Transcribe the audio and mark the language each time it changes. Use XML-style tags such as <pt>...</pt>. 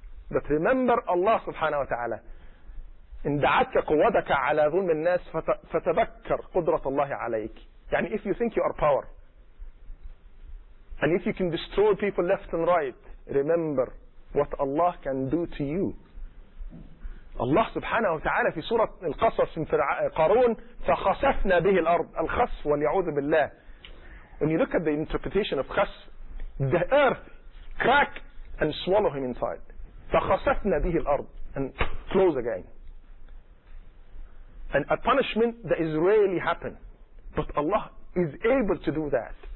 <en>But remember Allah subhanahu wa ta'ala.</en> <ar>إِنْ دَعَتْكَ قُوَدَكَ عَلَى ظُلْمِ النَّاسِ فَتَذَكَّرْ قُدْرَةَ اللَّهِ عَلَيْكِ. يعني</ar> <en>if you think you are power, and if you can destroy people left and right, remember what Allah can do to you.</en> <ar>Allah subhanahu wa ta'ala في سورة القصص في قارون فخسفنا به الأرض. الخسف واليعوذ بالله.</ar> <en>When you look at the interpretation of خسف, the earth crack and swallow him inside.</en> <ar>فخسفنا به الأرض</ar> <en>and close again. And a punishment that is rarely happen, but Allah is able to do that.</en>